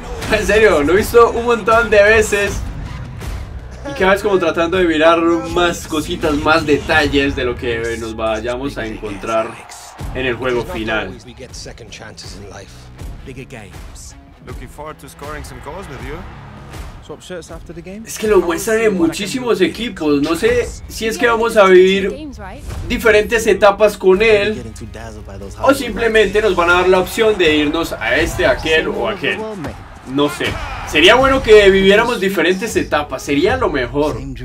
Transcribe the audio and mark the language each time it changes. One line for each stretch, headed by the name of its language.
Spanish: En serio, lo he visto un montón de veces. Y cada vez como tratando de mirar más cositas, más detalles de lo que nos vayamos a encontrar en el juego final.
English: Looking forward to scoring some goals with you. Swap shirts after the game.
Spanish: Es que lo muestran en muchísimos equipos. No sé si es que vamos a vivir diferentes etapas con él o simplemente nos van a dar la opción de irnos a este, aquel o aquel. No sé. Sería bueno que viviéramos diferentes etapas. Sería lo mejor.